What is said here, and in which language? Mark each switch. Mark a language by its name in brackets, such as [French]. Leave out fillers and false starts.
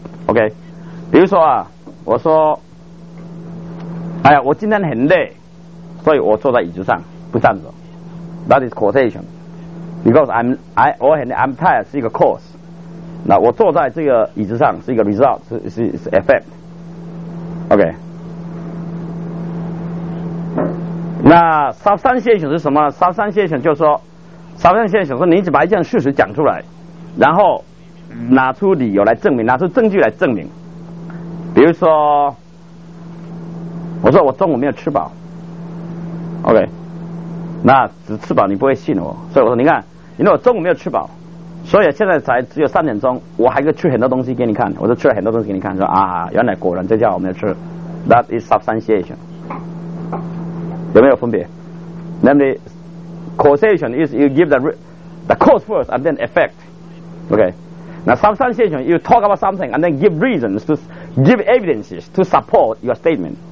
[Chinese] OK， 比如说啊，我说，哎呀，我今天很累，所以我坐在椅子上不站着。 [English] That is causation, because I'm tired [Chinese] 是一个 [English] cause。 [Chinese] 那我坐在这个椅子上是一个 result， 是 effect。 OK， 那 substantiation 是什么？ substantiation 就是说 substantiation 是你只把一件事实讲出来，然后拿出理由来证明，拿出证据来证明。比如说我说我中午没有吃饱， OK， 那只吃饱你不会信我，所以我说你看，因为我中午没有吃饱，所以现在才只有3点钟，我还可以吃很多东西给你看。我就吃了很多东西给你看，说啊，原来果然这家我没有吃。 [English] That is substantiation. [Chinese] 有没有分别？ [English] Namely, causation is you give the cause first and then effect. Okay. Now substantiation, you talk about something and then give reasons to give evidences to support your statement.